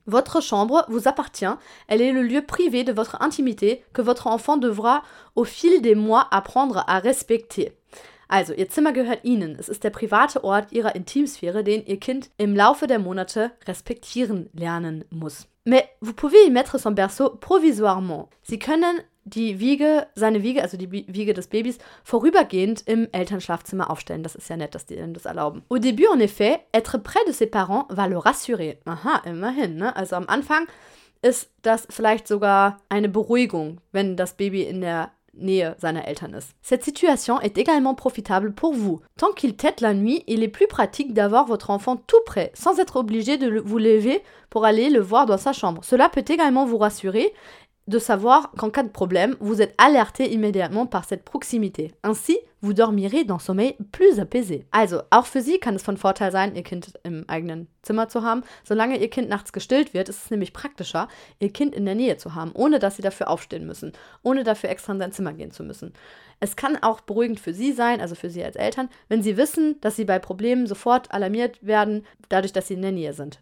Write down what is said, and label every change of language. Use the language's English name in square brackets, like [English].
[French] Votre chambre vous appartient, elle est le lieu privé de votre intimité que votre enfant devra au fil des mois apprendre à respecter. [German] Also, ihr Zimmer gehört Ihnen. Es ist der private Ort Ihrer Intimsphäre, den Ihr Kind im Laufe der Monate respektieren lernen muss. [French] Mais vous pouvez y mettre son berceau provisoirement. [German] Sie können die Wiege des Babys, vorübergehend im Elternschlafzimmer aufstellen. Das ist ja nett, dass die ihnen das erlauben. [French] Au début, en effet, être près de ses parents va le rassurer. [German] Aha, immerhin, ne? Also am Anfang ist das vielleicht sogar eine Beruhigung, wenn das Baby in der Nähe seiner Eltern ist. [French] Cette situation est également profitable pour vous. Tant qu'il tète la nuit, il est plus pratique d'avoir votre enfant tout près, sans être obligé de vous lever pour aller le voir dans sa chambre. Cela peut également vous rassurer de savoir qu'en cas de problème, vous êtes alerté immédiatement par cette proximité. Ainsi, vous dormirez dans un sommeil plus apaisé. [German] Also, auch für sie kann es von Vorteil sein, ihr Kind im eigenen Zimmer zu haben. Solange ihr Kind nachts gestillt wird, ist es nämlich praktischer, ihr Kind in der Nähe zu haben, ohne dass sie dafür aufstehen müssen, ohne dafür extra in sein Zimmer gehen zu müssen. Es kann auch beruhigend für sie sein, also für sie als Eltern, wenn sie wissen, dass sie bei Problemen sofort alarmiert werden, dadurch, dass sie in der Nähe sind.